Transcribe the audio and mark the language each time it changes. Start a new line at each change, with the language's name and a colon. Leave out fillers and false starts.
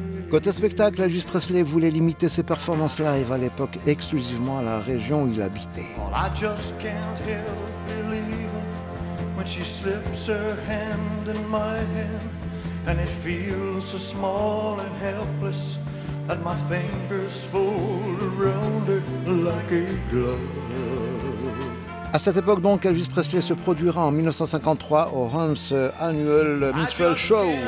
French: Côté spectacle, Elvis Presley voulait limiter ses performances live à l'époque exclusivement à la région où il habitait.
English: Well, I just can't help believing when she slips her hand in my hand and it feels so small and helpless that my fingers fold around it like a glove.
French: À cette époque donc, Elvis Presley se produira en 1953 au Hans Annual Minstrel Show.